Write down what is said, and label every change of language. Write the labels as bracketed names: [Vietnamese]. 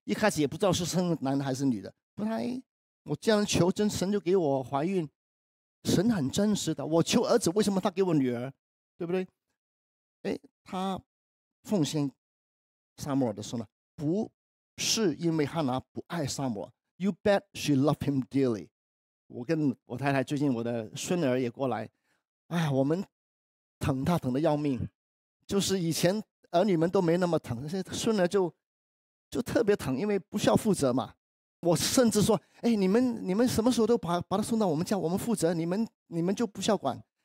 [Chinese] 一开始也不知道是生男的还是女的，不太，我这样求真神就给我怀孕，神很真实的。我求儿子，为什么他给我女儿，对不对？哎，他奉献撒母耳的时候呢，不是因为哈拿不爱撒母耳。 [English] You bet she loved him dearly。 [Chinese] 我跟我太太最近，我的孙女儿也过来，哎，我们疼他疼得要命，就是以前儿女们都没那么疼，现在孙女儿就特别疼，因为不需要负责嘛。我甚至说，哎，你们什么时候都把他送到我们家，我们负责，你们就不需要管。